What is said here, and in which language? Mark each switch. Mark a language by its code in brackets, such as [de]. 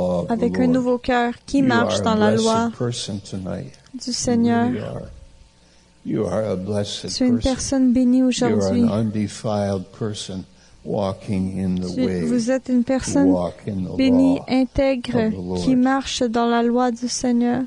[fr] Avec un nouveau cœur qui marche dans la loi du Seigneur. Tu es une personne bénie aujourd'hui. Tu es une [en] undefiled person walking in the way. [fr] Vous êtes une personne bénie, intègre, qui marche dans la loi du Seigneur.